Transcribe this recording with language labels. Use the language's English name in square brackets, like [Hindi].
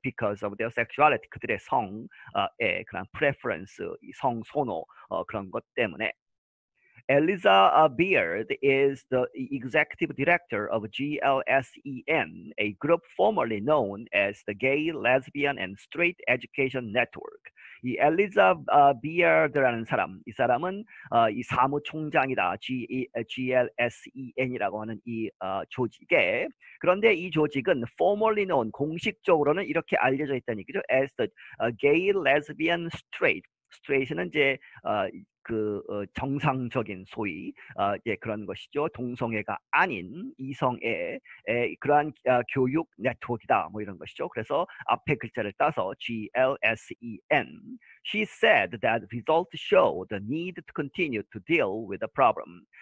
[English] because of their sexuality, [Korean] 그들의 성의 그런 [English] preference, [Korean] 성선호, 그런 것 때문에. [English] Eliza Beard is the executive director of GLSEN, a group formerly known as the Gay, Lesbian, and Straight Education Network. [Korean] 이 엘리자 비어드라는 사람, 이 사람은 이 사무총장이다. GLSEN이라고 하는 이 조직에. 그런데 이 조직은 [English] formerly known, [Korean] 공식적으로는 이렇게 알려져 있다는 얘기죠. [English] As the gay, lesbian, straight. [Korean] Straight은 이제 정상적인 소위 예, 그런 것이죠. 동성애가 아닌 이성애 그러한 교육 네트워크다 뭐 이런 것이죠. 그래서 앞에 글자를 따서 GLSEN. [English] She said that results show the need to continue to deal with the problem.